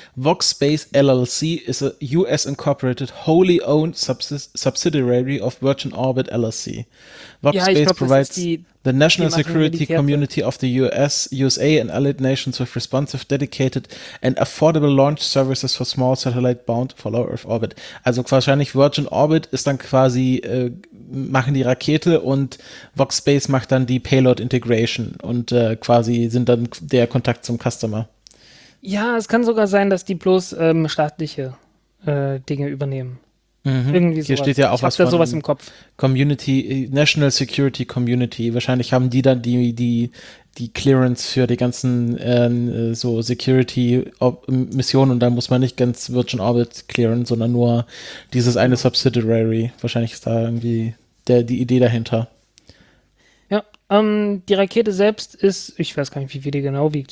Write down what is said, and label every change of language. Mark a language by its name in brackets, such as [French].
[English] VoxSpace LLC is a US incorporated wholly owned subsidiary of Virgin Orbit LLC. VoxSpace provides the national security community of the USA and allied nations with responsive, dedicated and affordable launch services for small satellite bound for low Earth orbit. [German] Also wahrscheinlich Virgin Orbit ist dann quasi, machen die Rakete und VoxSpace macht dann die Payload Integration und quasi sind dann der Kontakt zum Customer. Ja, es kann sogar sein, dass die bloß staatliche Dinge übernehmen. Mhm. Irgendwie hier sowas. Steht ja auch ich was da sowas im Kopf. [English] Community, National Security Community. [German] Wahrscheinlich haben die dann die Clearance für die ganzen so Security-Missionen und dann muss man nicht ganz Virgin Orbit clearen, sondern nur dieses eine Subsidiary. Wahrscheinlich ist da irgendwie die Idee dahinter. Ja, die Rakete selbst ist, ich weiß gar nicht, wie viel die genau wiegt.